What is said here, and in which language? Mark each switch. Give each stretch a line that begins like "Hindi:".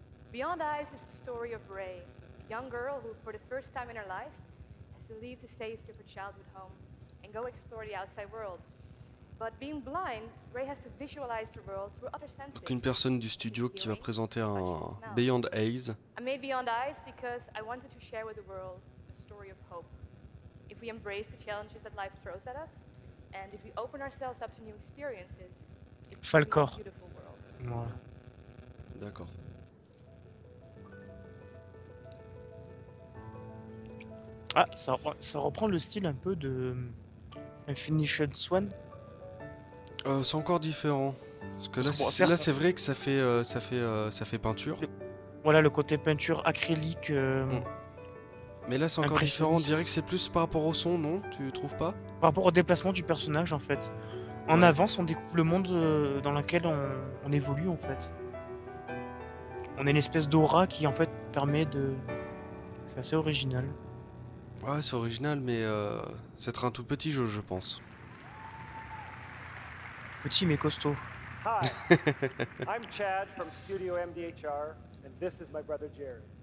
English: Beyond Eyes is the story of Ray, a young girl who, for the first time in her life, has to leave the safety of her childhood home and go explore the outside world. But being blind, Ray has to visualize the world through other senses.
French: Donc une personne du studio qui va présenter un Beyond Eyes.
English: I made Beyond Eyes because I wanted to share with the world a story of hope. If we embrace the challenges that life throws at us, and if we open ourselves up to new experiences, it's a beautiful world.
French: Ouais. D'accord. Ah, ça reprend le style un peu de Infinition Swan. C'est encore différent. Parce que là, c'est vrai que ça fait peinture. Voilà, le côté peinture acrylique. Mais là, c'est encore différent. On dirait que c'est plus par rapport au son, non? Tu trouves pas? Par rapport au déplacement du personnage, en fait. En avance, on découvre le monde dans lequel on évolue, en fait. On est une espèce d'aura qui, en fait, permet de... C'est assez original. Ouais, c'est original, mais c'est un tout petit jeu, je pense. Petit mais costaud.
English: Hi, I'm Chad from Studio MDHR, and this is my brother Jared.